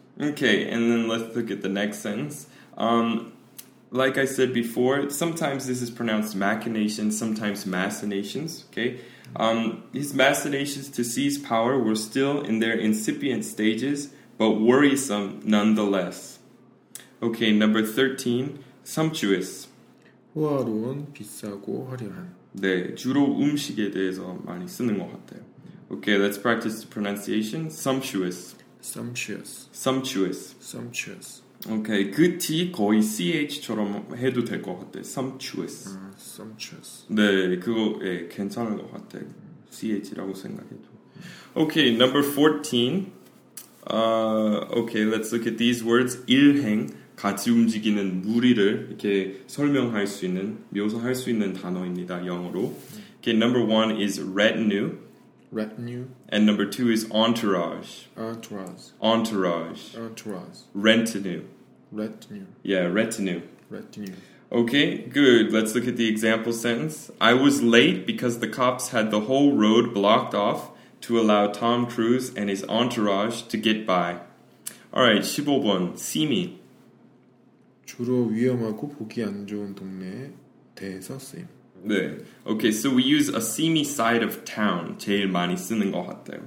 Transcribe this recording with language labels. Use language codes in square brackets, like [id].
[en] Okay, and then let's look at the next sentence. Like I said before, sometimes this is pronounced machinations, sometimes machinations. Okay. His machinations to seize power were still in their incipient stages, but worrisome nonetheless. Okay, number 13, sumptuous. [ko] 호화로운, 비싸고 화려한. 네, 주로 음식에 대해서 많이 쓰는 것 같아요. [en] Okay, let's practice the pronunciation. Sumptuous. Sumptuous. Sumptuous. Sumptuous. [ko] Okay, 그 T 거의 CH처럼 해도 될 것 같아. Sumptuous. [en] Sumptuous. [ko] 네, 그거 예, 괜찮은 것 같아. CH라고 생각해도. [en] Okay, number 14. Okay, let's look at these words. [ko] 일행, 같이 움직이는 무리를 이렇게 설명할 수 있는, 묘사할 수 있는 단어입니다, 영어로. [en] Okay, number 1 is retinue. Retinue. And number 2 is entourage. Entourage. Entourage. Entourage. Retinue. Retinue. Yeah, retinue. Retinue. Okay, good. Let's look at the example sentence. I was late because the cops had the whole road blocked off to allow Tom Cruise and his entourage to get by. All right, 15번. 심히. [ko] 주로 위험하고 보기 안 좋은 동네에 대해서 쓰임. [en] 네. Okay, so we use a seamy side of town. [ko] 제일 많이 쓰는 것 같아요.